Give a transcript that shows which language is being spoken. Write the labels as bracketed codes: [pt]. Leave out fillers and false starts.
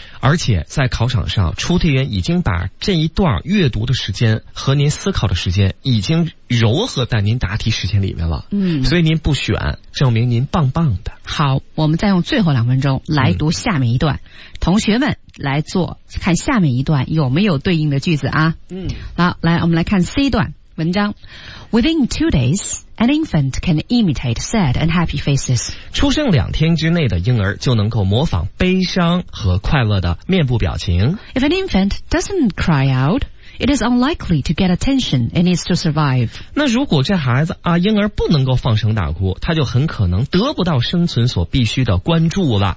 [zh] 而且在考场上，出题人已经把这一段阅读的时间和您思考的时间已经糅合在您答题时间里面了。所以您不选，证明您棒棒的。好，我们再用最后两分钟来读下面一段，同学们。来做看下面一段有没有对应的句子啊。好，来我们来看 C 段文章。 [en] Within 2 days, an infant can imitate sad and happy faces. [zh] 出生两天之内的婴儿就能够模仿悲伤和快乐的面部表情。 [en] If an infant doesn't cry out, it is unlikely to get attention it needs to survive. [zh] 那如果这孩子啊婴儿不能够放声大哭，他就很可能得不到生存所必须的关注了。